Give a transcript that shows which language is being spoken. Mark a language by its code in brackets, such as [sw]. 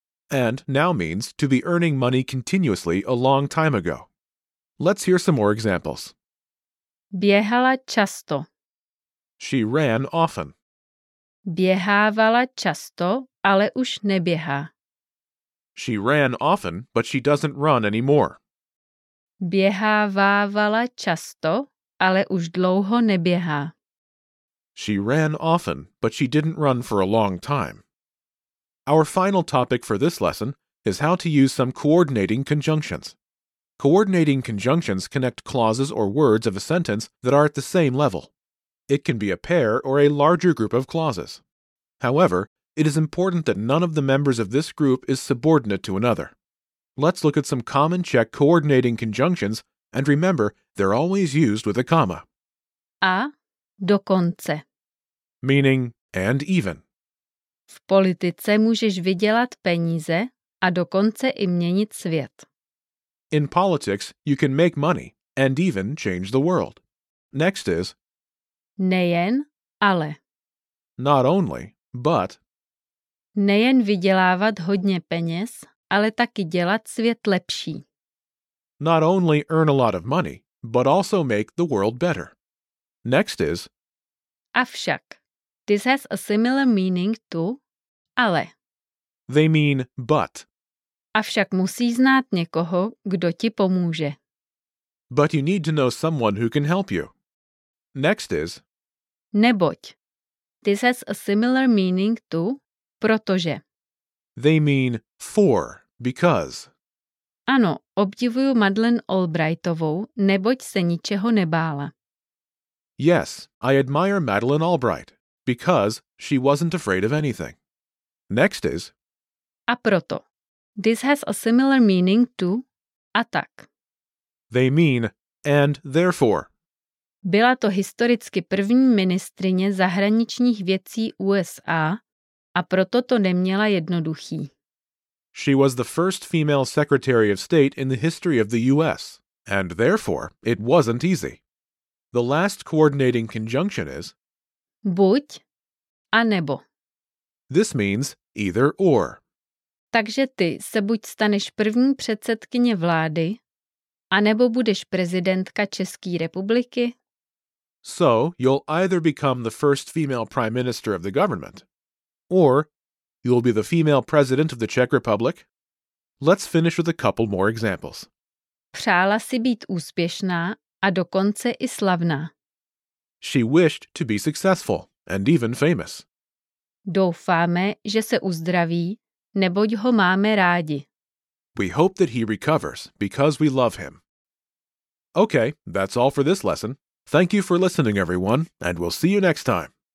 [en] and now means to be earning money continuously a long time ago. Let's hear some more examples. [cs] Běhala často. [en] She ran often. [cs] Běhávala často, ale už neběhá. [en] She ran often, but she doesn't run anymore. [cs] Běhávávala často, ale už dlouho neběhá. [en] She ran often, but she didn't run for a long time. Our final topic for this lesson is how to use some coordinating conjunctions. Coordinating conjunctions connect clauses or words of a sentence that are at the same level. It can be a pair or a larger group of clauses. However, it is important that none of the members of this group is subordinate to another. Let's look at some common Czech coordinating conjunctions, and remember, they're always used with a comma. [cs] A dokonce. [en] Meaning, and even. [cs] V politice můžeš vydělat peníze a dokonce i měnit svět. [en] In politics, you can make money and even change the world. Next is [cs] nejen, ale. [en] Not only, but [cs] nejen vydělávat hodně peněz, ale taky dělat svět lepší. [en] Not only earn a lot of money, but also make the world better. Next is avšak. This has a similar meaning to ale. They mean but. [cs] Avšak musí znát někoho, kdo ti pomůže. [en] But you need to know someone who can help you. Next is neboť. This has a similar meaning to protože. They mean for, because. [cs] Ano, obdivuju Madeleine Albrightovou, neboť se ničeho nebála. [en] Yes, I admire Madeleine Albright, because she wasn't afraid of anything. Next is [cs] a proto. [en] This has a similar meaning to a tak. They mean and therefore. [cs] Byla to historicky první ministryně zahraničních věcí USA a proto to neměla jednoduchý. [en] She was the first female secretary of state in the history of the US, and therefore it wasn't easy. The last coordinating conjunction is [cs] buď a nebo. [en] This means either or. [cs] Takže ty se buď staneš první předsedkyně vlády, anebo budeš prezidentka České republiky. [en] So, you'll either become the first female prime minister of the government, or you'll be the female president of the Czech Republic. Let's finish with a couple more examples. [cs] Přála si být úspěšná a dokonce i slavná. [en] She wished to be successful and even famous. [cs] Doufáme, že se uzdraví, neboť ho máme rádi. [en] We hope that he recovers because we love him. Okay, that's all for this lesson. Thank you for listening, everyone, and we'll see you next time.